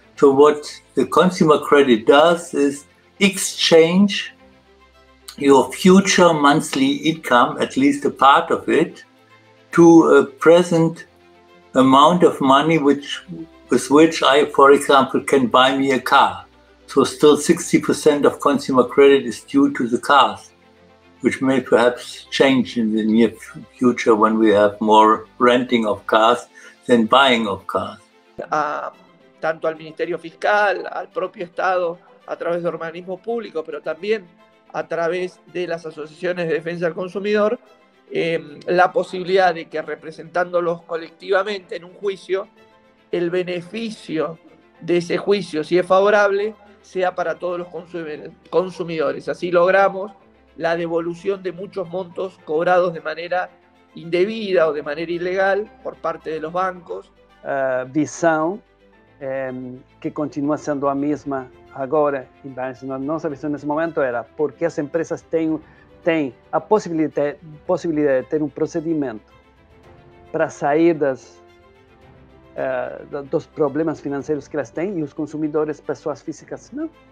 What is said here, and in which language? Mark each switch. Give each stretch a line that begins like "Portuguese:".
English: So what the consumer credit does is exchange your future monthly income, at least a part of it, to a present amount of money with which I, for example, can buy me a car. So So still 60% of consumer credit is due to the cars, which may perhaps change in the near future when we have more renting of cars than buying of cars.
Spanish: Tanto al Ministerio Fiscal, al propio Estado, a través de organismos públicos, pero también a través de las asociaciones de defensa del consumidor, la posibilidad de que representándolos colectivamente en un juicio, el beneficio de ese juicio, si es favorable, sea para todos los consumidores. Así logramos la devolución de muchos montos cobrados de manera indebida o de manera ilegal por parte de los bancos.
Portuguese: Visão que continua sendo a mesma agora, nossa visão nesse momento era porque as empresas têm a possibilidade de ter um procedimento para sair dos problemas financeiros que elas têm e os consumidores, pessoas físicas, não.